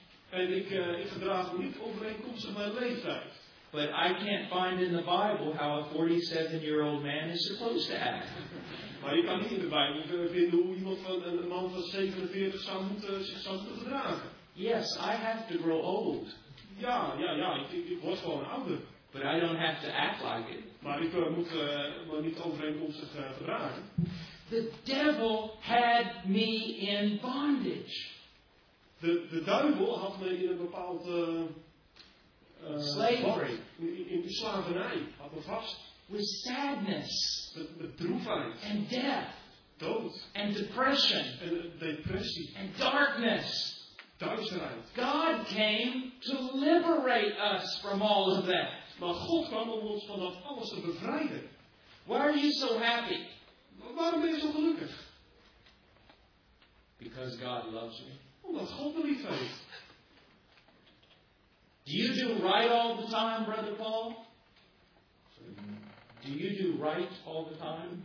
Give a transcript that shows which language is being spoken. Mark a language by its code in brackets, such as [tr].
[nl] En ik gedraag niet overeenkomstig mijn leeftijd. [en] But I can't find in the Bible how a 47-year-old man is supposed to act. [nl] Maar je kan niet in de Bijbel vinden hoe iemand van een man van 47 zou moeten gedragen. [en] Yes, I have to grow old. [nl] Ja, ik word gewoon ouder. [en] But I don't have to act like it. [nl] Maar ik moet me niet overeenkomstig gedragen. [en] The devil had me in bondage. [nl] De duivel had me in een bepaald [en] slavery. [nl] In slavernij. Had me vast. [en] With sadness. [nl] Met droefheid. [en] And death. [nl] Dood. [en] And depression. [nl] En depressie. [en] And darkness. [nl] Duisternis. [en] God came to liberate us from all of that. [nl] Maar God kwam om ons van dat alles te bevrijden. [en] Why are you so happy? [nl] Waarom ben je zo gelukkig? [en] Because God loves me. [nl] Omdat God me lief heeft. [en] Do you do right all the time, Brother Paul? Do you do right all the time?